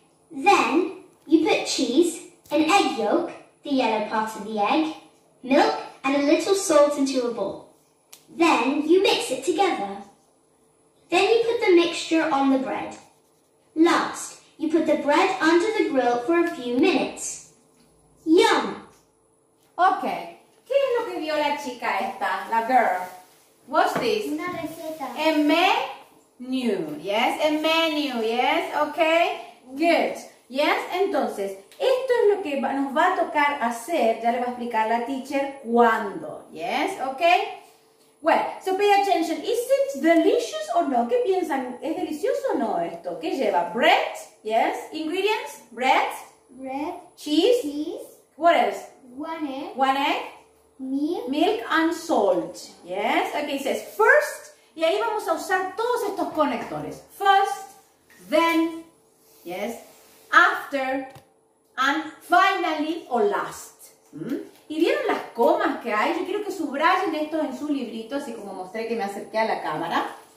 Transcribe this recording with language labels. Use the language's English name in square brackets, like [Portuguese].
[English] Then you put cheese, an egg yolk, the yellow part of the egg, milk and a little salt into a bowl. Then you mix it together. Then you put the mixture on the bread. Last, you put the bread under the grill for a few minutes. Yum! Okay. [Spanish] ¿Qué es lo que vio la chica esta, la girl? [English] What's this? [Spanish] Una receta. [English] A menu, yes? A menu, yes? Okay? Good. Yes? [Spanish] Entonces, esto es lo que nos va a tocar hacer, ya le va a explicar la teacher, cuándo. [English] Yes? Okay? Well, so pay attention. Is it delicious or no? [Spanish] ¿Qué piensan? ¿Es delicioso o no esto? ¿Qué lleva? [English] Bread, yes? Ingredients? Bread. Bread. Cheese. Cheese. What else? One egg. One egg. Milk. Milk and salt. Yes. Okay, it says first. [Spanish] Y ahí vamos a usar todos estos conectores. [English] First, then, yes, after, and finally or last. [Spanish] ¿Y vieron las comas que hay? Yo quiero que subrayen esto en su librito, así como mostré que me acerqué a la cámara.